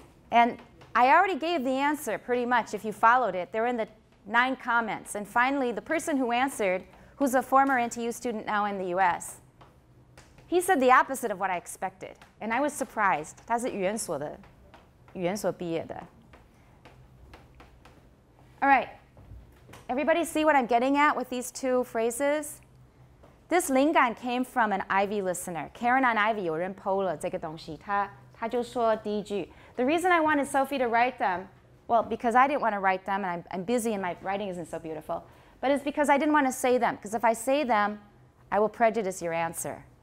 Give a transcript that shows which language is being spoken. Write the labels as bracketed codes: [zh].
[en] And I already gave the answer pretty much if you followed it. They're in the 9 comments. And finally, the person who answered, who's a former NTU student now in the US, he said the opposite of what I expected, and I was surprised. [zh] 他是语言所的，语言所毕业的. [en] All right, everybody see what I'm getting at with these two phrases? This 灵感 came from an Ivy listener. Karen on Ivy, [zh] 有人po了这个东西，他就说第一句. [en] The reason I wanted Sophie to write them, well, because I didn't want to write them, and I'm busy and my writing isn't so beautiful, but it's because I didn't want to say them, because if I say them, I will prejudice your answer.